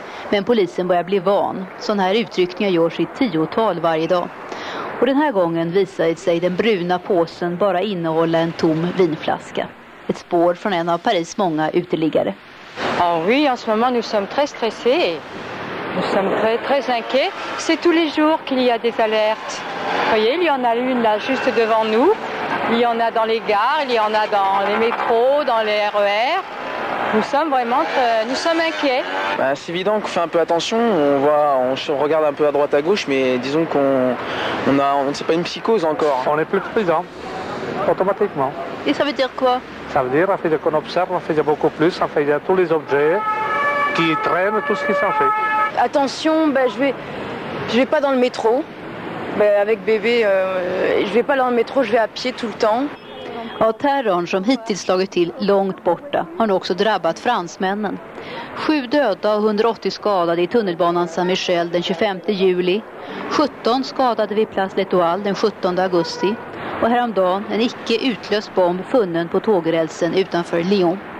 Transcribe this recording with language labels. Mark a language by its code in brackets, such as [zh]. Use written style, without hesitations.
[sv] Men polisen börjar bli van. Sådana här utryckningar görs i 10-tal varje dag. Och den här gången visade sig den bruna påsen bara innehålla en tom vinflaska. Ett spår från en av Paris många uteliggare. Ja, vi är just nu väldigt stressade. [fr] Nous sommes très très inquiets. C'est tous les jours qu'il y a des alertes. Vous voyez, il y en a une là juste devant nous. Il y en a dans les gares, il y en a dans les métros, dans les RER. Nous sommes vraiment nous sommes inquiets. Bah, c'est évident qu'on fait un peu attention, on se regarde un peu à droite à gauche, mais disons qu'on c'est pas une psychose encore. On est plus prudent, automatiquement. Et ça veut dire quoi? Ça veut dire qu'on observe, on fait beaucoup plus, on fait tous les objets qui traînent, tout ce qui s'en fait. Attention, bah, je vais pas dans le métro, bah, avec bébé, je vais pas dans le métro, je vais à pied tout le temps. [sv] Ja, terrorn som hittills slagit till långt borta har nu också drabbat fransmännen. 7 döda och 180 skadade i tunnelbanan Saint-Michel den 25 juli. 17 skadade vid Place L'Étoile den 17 augusti. Och häromdagen en icke utlöst bomb funnen på tågrälsen utanför Lyon.